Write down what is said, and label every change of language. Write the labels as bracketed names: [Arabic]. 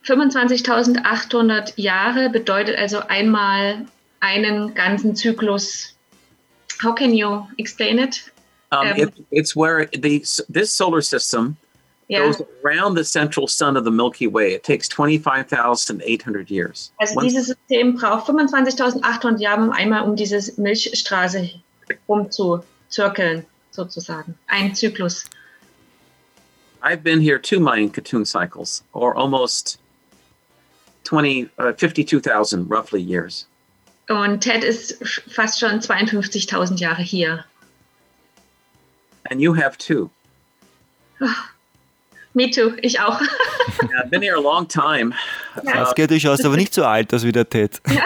[German] 25.800 Jahre bedeutet also einmal einen ganzen Zyklus. [English] How can you explain it? It's where this solar system goes around the central sun of the Milky Way. It takes 25,800 years. [German] Also dieses System braucht 25.800 Jahre, um einmal um diese Milchstraße rumzuzirkeln, sozusagen. Ein Zyklus. [English] I've been here 2 Mayan Cartoon cycles, or almost 52,000 roughly years. [German] Und Ted ist fast schon 52.000 Jahre hier. [English] And you have too. Me too, [German] ich auch. [English] Yeah, I've been here a long time. [German] Ja. Das geht durchaus, aber nicht so alt, als wie der Ted.